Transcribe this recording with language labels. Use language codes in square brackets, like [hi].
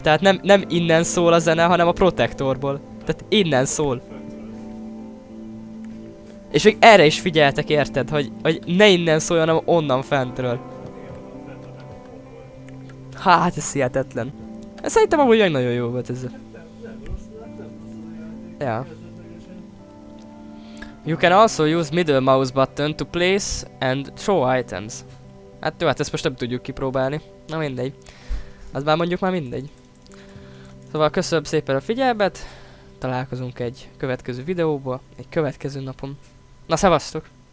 [hu] Tehát nem innen szól a zene, hanem a protektorból. Tehát innen szól. És még erre is figyeltek, érted? Hogy ne innen szóljon, hanem onnan fentről. Hát ez hihetetlen. Szerintem amúgy egy nagyon jó volt ez. Ja. [en] You can also use middle mouse button to place and throw items. [hu] Hát jó, hát ezt most nem tudjuk kipróbálni. Na mindegy. Az már mondjuk már mindegy. Szóval köszönöm szépen a figyelmet. Találkozunk egy következő videóba, egy következő napon. Na szevasztok!